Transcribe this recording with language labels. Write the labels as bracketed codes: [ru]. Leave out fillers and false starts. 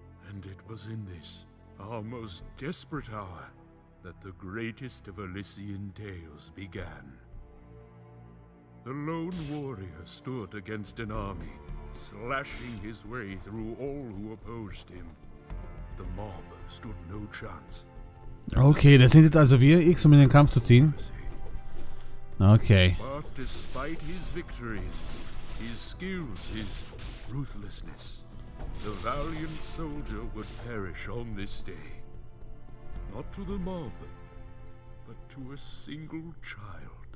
[en] And it was in this, our most desperate hour, that the greatest of Elysian tales began. The lone warrior stood against an army, slashing his way through all who opposed him. The mob stood no chance. [de] Okay, das sind jetzt also wir, X, um in den Kampf zu ziehen. Okay. [en] But despite his victories, his skills, his ruthlessness, the valiant soldier would perish on this day. Not to the mob, but to a single child.